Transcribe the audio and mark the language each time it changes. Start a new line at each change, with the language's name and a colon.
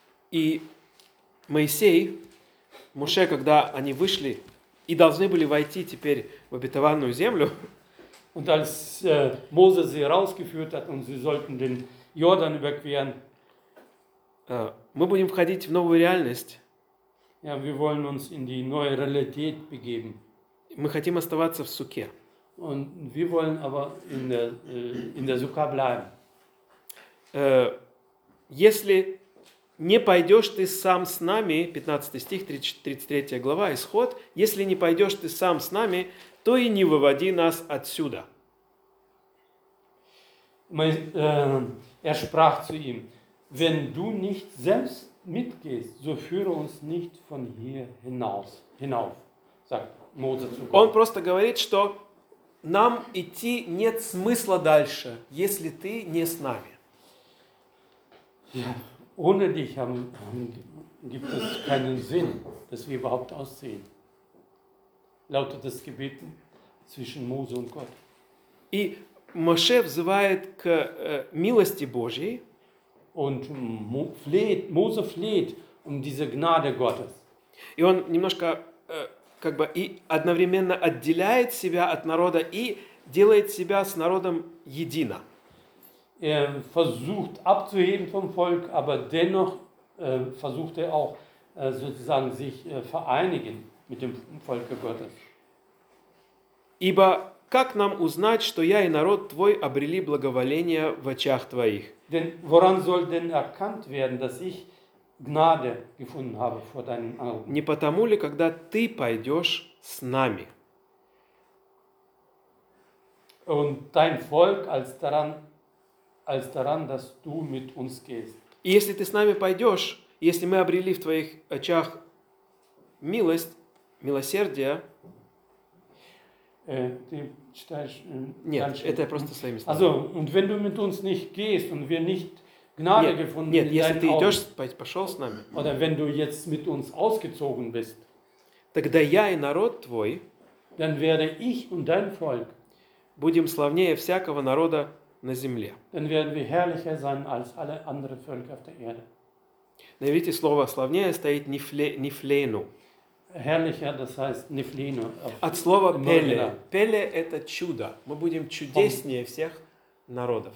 Russian: И Моисей, Моше, когда они вышли и должны были войти теперь в обетованную землю,
German: und als Mose sie rausgeführt hat und sie sollten den Jordan überqueren,
Russian: мы будем входить в новую реальность.
German: Ja, wir wollen uns in die neue Realität begeben.
Russian: Мы хотим оставаться в Сукке.
German: Und wir wollen aber in der Sukka bleiben.
Russian: Если не пойдешь ты сам с нами, 15 стих, 33 глава, исход, если не пойдешь ты сам с нами, то и не выводи нас отсюда.
German: Er sprach zu ihm, wenn du nicht selbst mitgehst, so führe uns nicht von hier hinauf, sagt Mose zu Gott.
Russian: Он просто говорит, что нам идти нет смысла дальше, если ты не с нами.
German: Ja, ohne dich gibt es keinen Sinn, dass wir überhaupt ausziehen. Lautet das Gebet zwischen Mose und Gott.
Russian: И Моше взывает к милости Божьей.
German: Und Mose fleht um diese Gnade Gottes.
Russian: И он немножко как бы и одновременно отделяет себя от народа и делает себя с народом едино.
German: Er versucht abzuheben vom Volk, aber dennoch versucht auch sozusagen sich vereinigen mit dem Volk Gottes.
Russian: Ибо как нам узнать, что я и народ твой обрели благоволение в очах твоих?
German: Denn woran soll denn erkannt werden, dass ich Gnade gefunden habe vor deinen Augen?
Russian: Не потому ли, когда ты пойдешь с нами?
German: Und dein Volk als daran, dass du mit uns gehst.
Russian: И если ты с нами пойдешь, если мы обрели в твоих очах милость, милосердие, ты читаешь, нет, это я просто своими словами.
German: Also, und wenn du mit uns nicht gehst und wir nicht Gnade gefunden in deinen Augen.
Russian: Нет, если ты идешь, пошел с нами.
German: Oder wenn du jetzt mit uns ausgezogen bist.
Russian: Тогда я и народ твой.
German: Dann werde ich und dein Volk.
Russian: Будем славнее всякого народа на земле.
German: Dann werden wir herrlicher sein als alle anderen Völker auf der Erde.
Russian: На иврите слово славнее стоит нифлейну.
German: Herrlicher, das heißt нифлейну.
Russian: От слова пеле. Пеле это чудо. Мы будем чудеснее всех народов.